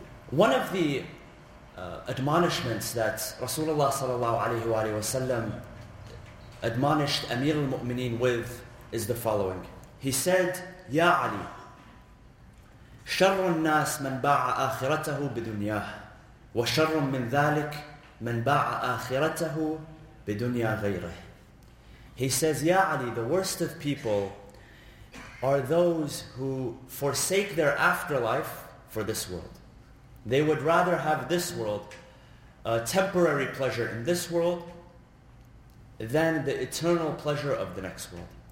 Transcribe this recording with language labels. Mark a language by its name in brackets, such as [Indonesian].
[English] One of the admonishments that Rasulullah sallallahu alaihi wasallam admonished Amir al-Mu'mineen with is the following. He said, "Ya Ali, [Arabic] شر الناس من باع آخرته بدنياه وشر من ذلك من باع آخرته بِدُنْيَا غَيْرِهِ. [English] He says, Ya Ali, the worst of people are those who forsake their afterlife for this world. They would rather have this world, a temporary pleasure in this world, than the eternal pleasure of the next world.